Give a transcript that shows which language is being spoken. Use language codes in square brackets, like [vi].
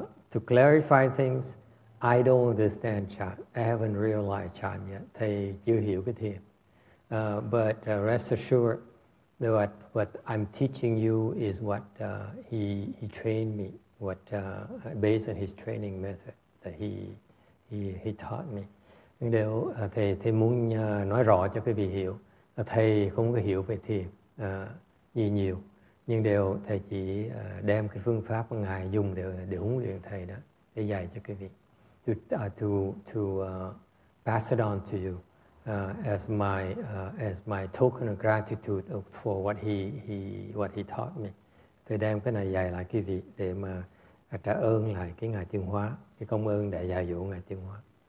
[en] To clarify things, I don't understand Chan. I haven't realized Chan yet. [vi] Thầy chưa hiểu cái thiền. [en] But rest assured that what I'm teaching you is what he trained me, based on his training method that he He taught me. [vi] Điều thầy muốn nói rõ cho quý vị hiểu, thầy không có hiểu về thiền gì nhiều, nhưng điều thầy chỉ đem cái phương pháp mà ngài dùng để huấn luyện thầy đó để dạy cho quý vị. [en] To pass it on to you as my token of gratitude for what he taught me. [vi] Thầy đem cái này dạy lại quý vị để mà trả ơn lại cái ngài Tiên Hóa, cái công ơn đã dạy dỗ ngài Tiên Hóa.